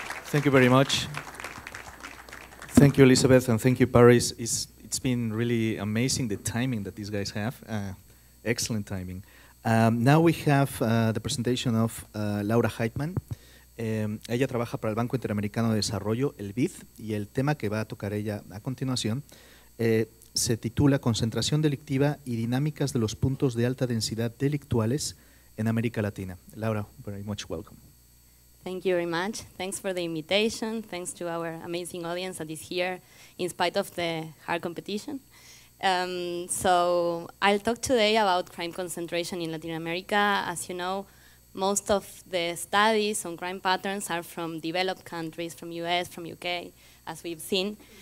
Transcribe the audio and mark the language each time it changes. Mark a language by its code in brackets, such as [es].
[en] Thank you very much. Thank you, Elizabeth, and thank you, Paris. It's been really amazing, the timing that these guys have. Excellent timing. Now we have the presentation of Laura Heitman. [es] Ella trabaja para el Banco Interamericano de Desarrollo, el BID, y el tema que va a tocar ella a continuación se titula Concentración delictiva y dinámicas de los puntos de alta densidad delictuales en América Latina. [en] Laura, very much welcome. Thank you very much. Thanks for the invitation. Thanks to our amazing audience that is here in spite of the hard competition. So I'll talk today about crime concentration in Latin America. As you know, most of the studies on crime patterns are from developed countries, from US, from UK, as we've seen.